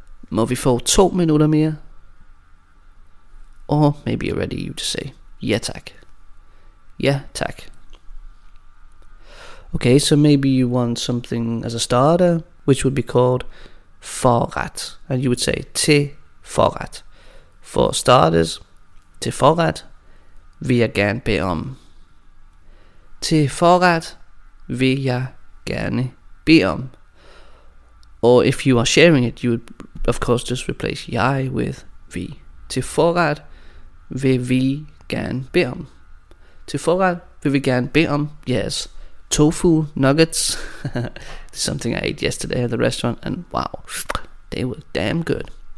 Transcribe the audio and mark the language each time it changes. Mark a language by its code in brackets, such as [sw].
[da] Må vi få 2 minutter mere? [en] Or maybe you're ready, you just say, [da] ja tak. [en] Yeah, tack. Okay, so maybe you want something as a starter, which would be called forret. And you would say [da] til forret. [en] For starters, [da] til forret vil jeg gerne bede om. Til forret vil jeg gerne bede om. [en] Or if you are sharing it, you would of course just replace jeg with vi. [da] Til forret vil vi gerne bede om. Til forret vil vi gerne bede om jeres tofu nuggets. [en] This is something I ate yesterday at the restaurant, and wow, they were damn good.